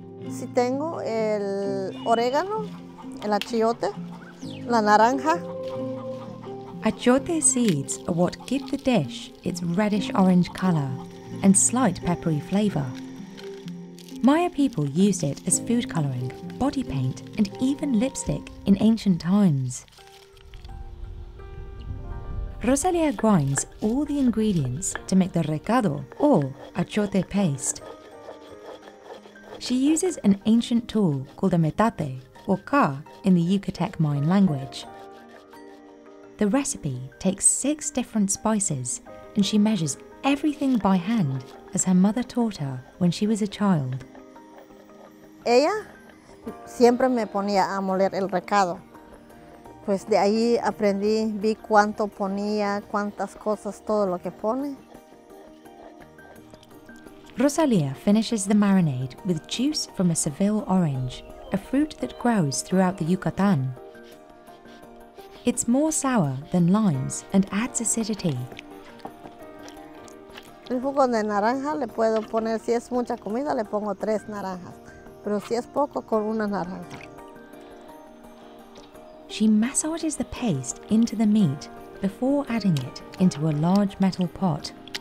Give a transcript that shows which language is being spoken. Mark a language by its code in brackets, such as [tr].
[es] Si tengo el orégano, el achiote, la naranja. [en] Achiote seeds are what give the dish its reddish-orange color and slight peppery flavor. Maya people used it as food coloring, body paint, and even lipstick in ancient times. Rosalia grinds all the ingredients to make the recado, or achiote paste. She uses an ancient tool called a metate, or ka, in the Yucatec Mayan language. The recipe takes 6 different spices, and she measures everything by hand, as her mother taught her when she was a child. [es] Ella siempre me ponía a moler el recado. Pues de ahí aprendí, vi cuánto ponía, cuántas cosas, todo lo que pone. [en] Rosalia finishes the marinade with juice from a Savile orange, a fruit that grows throughout the Yucatan. It's more sour than limes and adds acidity. [es] El jugo de naranja le puedo poner, si es mucha comida, le pongo 3 naranjas. Pero si es poco, con una naranja. [en] She massages the paste into the meat before adding it into a large metal pot.